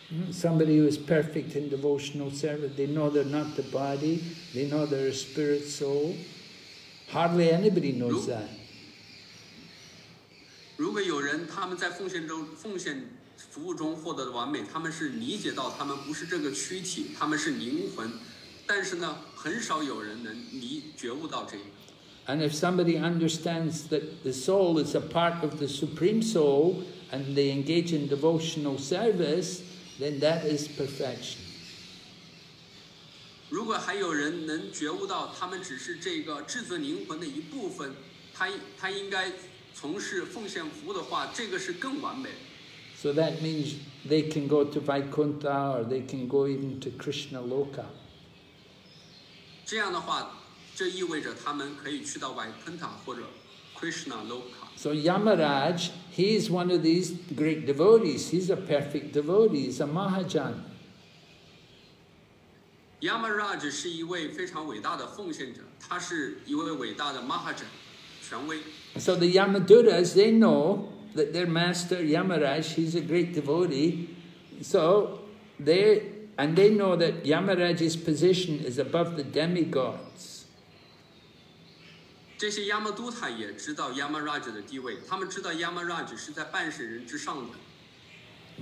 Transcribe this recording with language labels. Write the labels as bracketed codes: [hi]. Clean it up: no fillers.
[en] Somebody who is perfect in devotional service, they know they're not the body, they know they're a spirit soul. Hardly anybody knows that. [zh] 如果有人他们在奉献服务中获得的完美，他们是理解到他们不是这个躯体，他们是灵魂，但是呢，很少有人能觉悟到这一点。 [en] And if somebody understands that the soul is a part of the supreme soul, and they engage in devotional service, then that is perfection. [zh] 如果还有人能觉悟到他们只是这个至尊灵魂的一部分，他应该从事奉献服务的话，这个是更完美。 [en] So that means they can go to Vaikuntha, or they can go even to Krishna Loka. [zh] 这样的话。这意味着他们可以去到 Vaikuntha 或者 Krishna Loka. [en] So Yamaraj, he is one of these great devotees. He's a perfect devotee. He's a Mahajan. [zh] Yamaraj 是一位非常伟大的奉献者，他是一位伟大的 Mahajan, 权威。 [en] So the Yamaduras, they know that their master Yamaraj, he's a great devotee. So they know that Yamaraj's position is above the demigods. [zh] 这些亚玛都塔也知道亚玛拉吉的地位，他们知道亚玛拉吉是在半世人之上的。